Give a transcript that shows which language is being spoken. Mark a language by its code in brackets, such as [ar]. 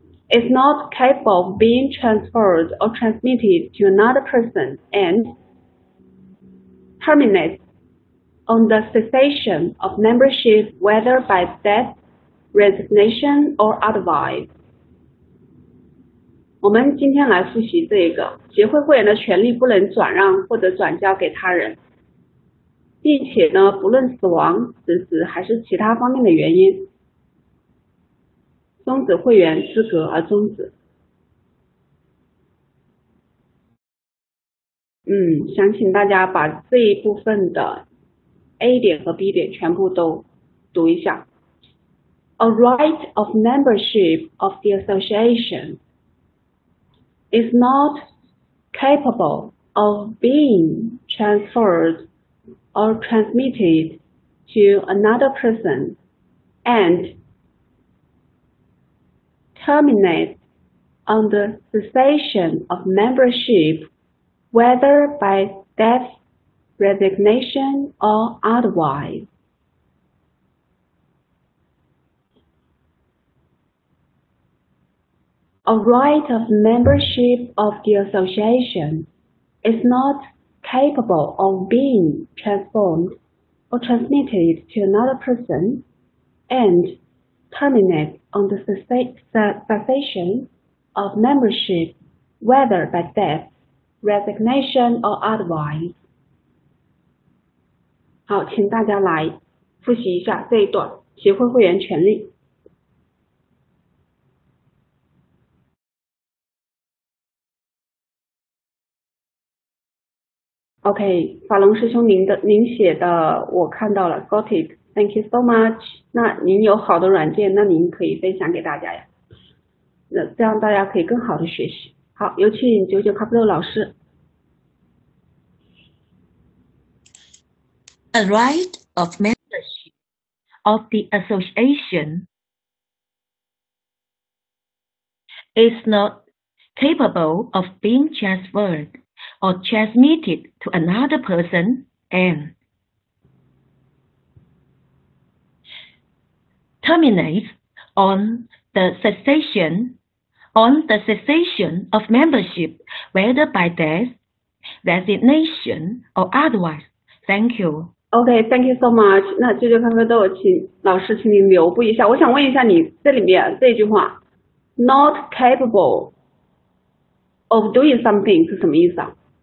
[en] Is not capable of being transferred or transmitted to another person and terminates on the cessation of membership, whether by death, resignation, or otherwise. [zh] 我们今天来复习这一个，协会会员的权利不能转让或者转交给他人，并且呢，不论死亡、辞职还是其他方面的原因。终止会员资格而终止。想请大家把这一部分的 A 点和 B 点全部都读一下。 [en] A right of membership of the association is not capable of being transferred or transmitted to another person andTerminate on the cessation of membership, whether by death, resignation, or otherwise. A right of membership of the association is not capable of being transformed or transmitted to another person, andTerminate on the cessation of membership, whether by death, resignation, or otherwise. [zh] 好，请大家来复习一下这一段协会会员权利。 OK, 法龙师兄您写的我看到了 , [en] got it. Thank you so much. [zh] 那您有好的软件，那您可以分享给大家呀。那这样大家可以更好的学习。好，有请九九咖啡豆老师。 [en] A right of membership of the association is not capable of being transferred or transmitted to another person and terminates on the cessation of membership, whether by death, resignation, or otherwise. Thank you. Okay, thank you so much. [zh] 那这些方面都有请老师请你留步一下。我想问一下你这里面这句话 ， [en] not capable of doing something [zh] 是什么意思啊？